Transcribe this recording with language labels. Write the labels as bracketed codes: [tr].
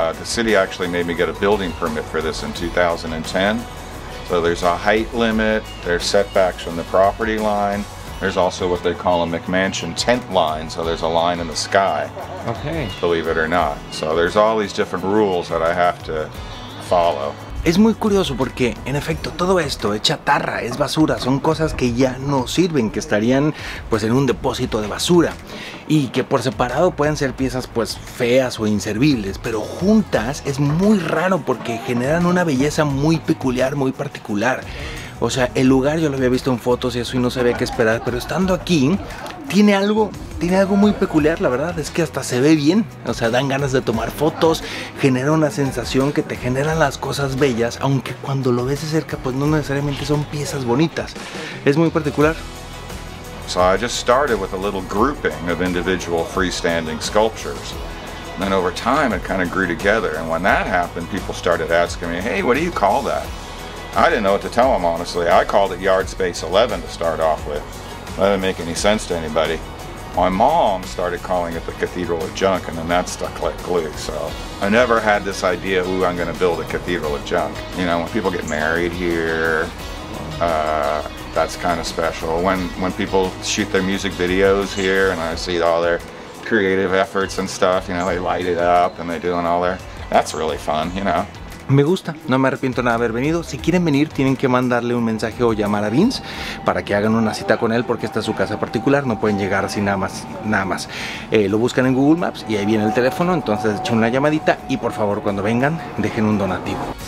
[en] The city actually made me get a building permit for this in 2010. So there's a height limit, there's setbacks from the property line. There's also what they call a McMansion tent line, so there's a line in the sky, okay. Believe it or not. So there's all these different rules that I have to follow. [es] Es muy curioso porque, en efecto, todo esto es chatarra, es basura, son cosas que ya no sirven, que estarían pues en un depósito de basura y que por separado pueden ser piezas pues feas o inservibles, pero juntas es muy raro porque generan una belleza muy peculiar, muy particular. O sea, el lugar yo lo había visto en fotos y eso y no sabía qué esperar, pero estando aquí tiene algo muy peculiar, la verdad, es que hasta se ve bien, o sea, dan ganas de tomar fotos, genera una sensación que te generan las cosas bellas, aunque cuando lo ves de cerca, pues no necesariamente son piezas bonitas, es muy particular. [en] So I just started with a little grouping of individual freestanding sculptures. And then over time it kind of grew together, and when that happened, people started asking me, hey, what do you call that? I didn't know what to tell them, honestly. I called it Yard Space 11 to start off with. That didn't make any sense to anybody. My mom started calling it the Cathedral of Junk, and then that stuck like glue. So I never had this idea, ooh, I'm going to build a Cathedral of Junk. You know, when people get married here, that's kind of special. When people shoot their music videos here, and I see all their creative efforts and stuff, you know, they light it up, and they're doing all their, that's really fun, you know. [es] Me gusta, no me arrepiento nada de haber venido. Si quieren venir, tienen que mandarle un mensaje o llamar a Vince para que hagan una cita con él, porque esta es su casa particular, no pueden llegar así nada más. Lo buscan en Google Maps y ahí viene el teléfono, entonces echen una llamadita y por favor, cuando vengan, dejen un donativo.